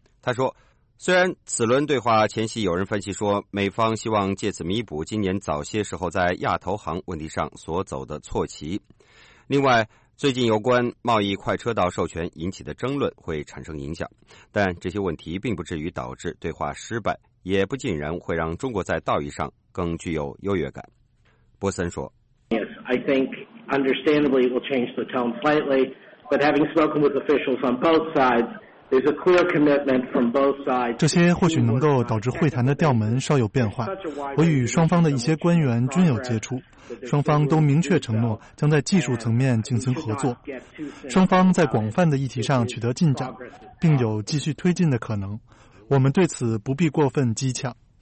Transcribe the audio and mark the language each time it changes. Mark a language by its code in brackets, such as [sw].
[zh] 他说，虽然此轮对话前夕有人分析说，美方希望借此弥补今年早些时候在亚投行问题上所走的错棋，另外最近有关贸易快车道授权引起的争论会产生影响，但这些问题并不至于导致对话失败，也不尽然会让中国在道义上更具有优越感。波森说， [en] Yes, I think understandably it will change the tone slightly, but having spoken with officials on both sides, [zh] 这些或许能够导致会谈的调门稍有变化。我与双方的一些官员均有接触，双方都明确承诺将在技术层面进行合作，双方在广泛的议题上取得进展，并有继续推进的可能，我们对此不必过分讥诮。